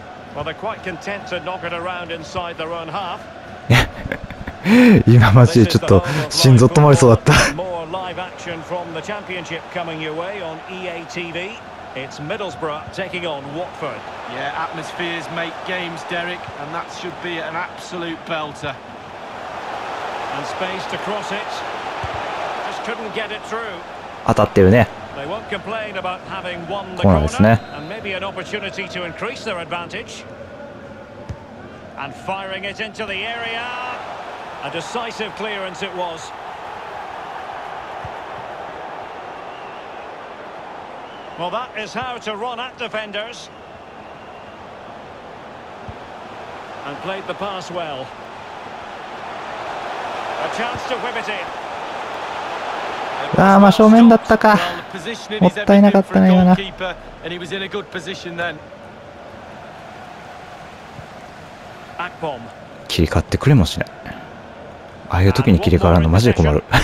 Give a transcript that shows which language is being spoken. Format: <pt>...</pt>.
<en>Well, they're quite content to knock it around inside their own half.</en> <ja>今マジでちょっと心臓止まりそうだった。</ja> <en>Live action from the championship coming your way on EA TV. It's Middlesbrough taking on Watford. Yeah, atmospheres make games, Derek, and that should be an absolute belter. And space to cross it. Just couldn't get it through.</en> <ja>当たってるね。</ja> <en>They won't complain about having won the corner. And maybe an opportunity to increase their advantage. And firing it into the area. A decisive clearance it was. Well, that is how to run at defenders. And played the pass well. A chance to whip it in.</en> <ja>Ah, 真正面だったか。もったいなかったね、今な。</ja> <en>And he was in a good position then. Akpom.</en> <ja>切り替わってくれもしれない。ああいう時に切り替わらんのマジで困る。</ja>